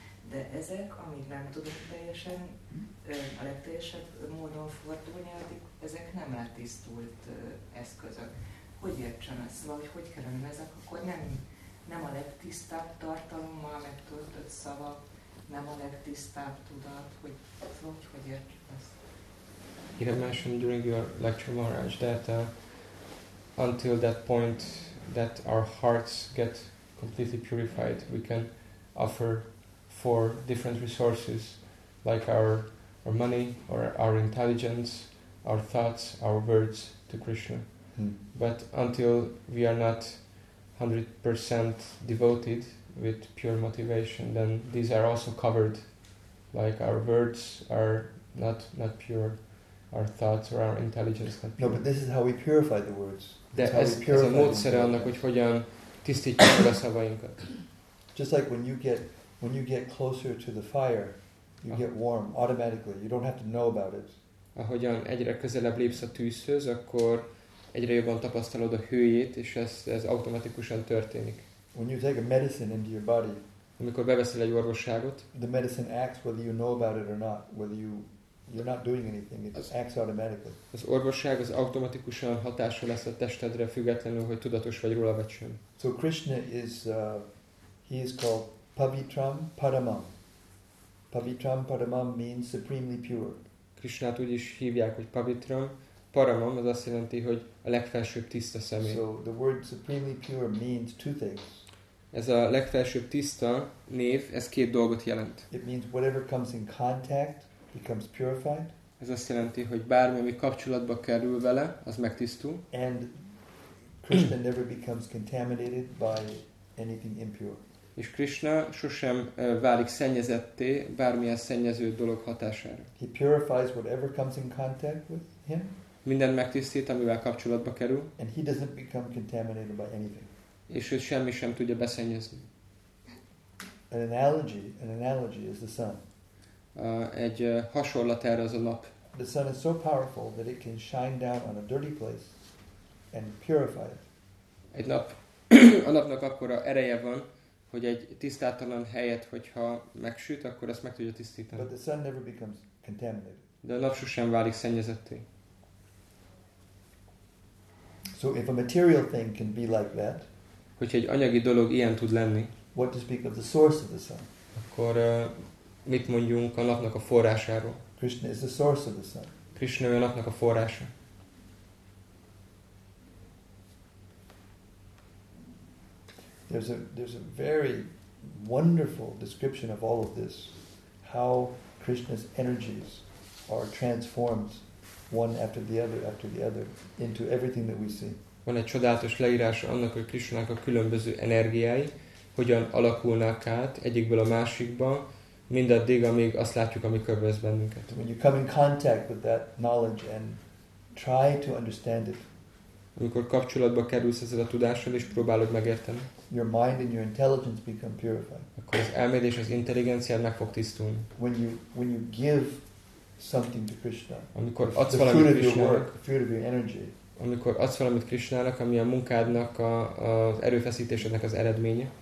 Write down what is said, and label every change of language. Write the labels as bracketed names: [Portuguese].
[Hungarian] De ezek, amíg nem tudunk teljesen, a legteljesebb módon fordulni, addig ezek nem letisztult eszközök. Hogy értsem ezt? Valahogy hogy kellene ezek? Akkor nem a legtisztább tartalommal megtöltött szavak, nem a legtisztább tudat, hogy értsem ezt? [English] You have mentioned during your lecture, Maharaj, that until that point that our hearts get completely purified, we can offer four different resources, like our money, or our intelligence, our thoughts, our words to Krishna. Hmm. But until we are not 100% devoted with pure motivation, then these are also covered, like our words are not pure, our thoughts or our intelligence not pure. No, but this is how we purify the words. [Hungarian] Ez a módszere annak, hogy hogyan tisztítjuk meg a szavainkat. [English] Just like when you get closer to the fire, you get warm automatically. You don't have to know about it. [Hungarian] Ahogyan egyre közelebb lépsz a tűzhöz, akkor egyre jobban tapasztalod a hőjét, és ez automatikusan történik. [English] When you take a medicine into your body, [Hungarian] amikor beveszel egy orvosságot, [English] the medicine acts whether you know about it or not, whether you're not doing anything, it just acts automatically. [Hungarian] Az orvosság az automatikusan hatással lesz a testedre, függetlenül, hogy tudatos vagy róla vagy sem. [English] So Krishna is, he is called Pavitram Paramam. Pavitram Paramam means supremely pure. [Hungarian] Krishnát úgy is hívják, hogy Pavitram. Paramam az azt jelenti, hogy a legfelsőbb tiszta személy. [English] So the word supremely pure means two things. [Hungarian] Ez a legfelsőbb tiszta név, ez két dolgot jelent. [English] It means whatever comes in contact becomes purified. [Hungarian] Ez azt jelenti, hogy bármi, ami kapcsolatba kerül vele, az megtisztul. [English] And Krishna never becomes contaminated by anything impure. [Hungarian] És Krishna sosem válik szennyezetté bármilyen szennyező dolog hatására. [English] He purifies whatever comes in contact with him. [Hungarian] Minden megtisztít, amivel kapcsolatba kerül. [English] And he doesn't become contaminated by anything. [Hungarian] És ő semmi sem tudja beszennyezni. [English] An analogy is the sun. [Hungarian] Egy hasonlat erre az a nap. [English] The sun is so powerful that it can shine down on a dirty place and purify it. [Hungarian] Egy nap. A napnak akkora ereje van, hogy egy tisztátalan helyet, hogyha megsüt, akkor azt meg tudja tisztítani. [English] But the sun never becomes contaminated. [Hungarian] De a nap sosem válik szennyezetté. [English] So if a material thing can be like that, [Hungarian] hogyha egy anyagi dolog ilyen tud lenni, [English] what to speak of the source of the sun? [Hungarian] Akkor mit mondjunk a napnak a forrásáról? [English] Krishna is the source of the sun. [Hungarian] Krishna a napnak a forrása. [English] There's a very wonderful description of all of this, how Krishna's energies are transformed one after the other into everything that we see. [Hungarian] Van egy csodálatos leírás annak, hogy Krishnának a különböző energiái hogyan alakulnak át egyikből a másikba, mindaddig, amíg azt látjuk, ami körbevesz bennünket. [English] When you come in contact with that knowledge and try to understand it, [Hungarian] amikor kapcsolatba kerülsz ezzel a tudással, és próbálod megérteni, [English] your mind and your intelligence become purified. [Hungarian] Akkor az elméd és az intelligenciád meg fog tisztulni. [English] When you give something to Krishna, [Hungarian] amikor adsz valamit Krishnának, [English] the fruit of your energy, [Hungarian] amikor adsz valamit Krishnának, ami a munkádnak, az erőfeszítésednek az eredménye,